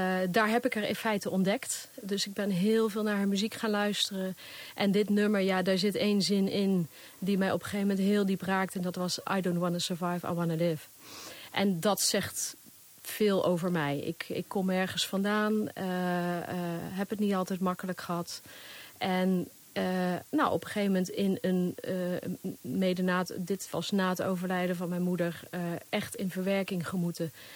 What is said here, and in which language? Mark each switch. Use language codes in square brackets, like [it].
[nl] Daar heb ik haar in feite ontdekt. Dus ik ben heel veel naar haar muziek gaan luisteren. En dit nummer, ja, daar zit één zin in die mij op een gegeven moment heel diep raakt. En dat was [en] I don't want to survive, I want to live. [nl] En dat zegt veel over mij. Ik kom ergens vandaan, heb het niet altijd makkelijk gehad. En op een gegeven moment in een dit was na het overlijden van mijn moeder, echt in verwerking gemoeten.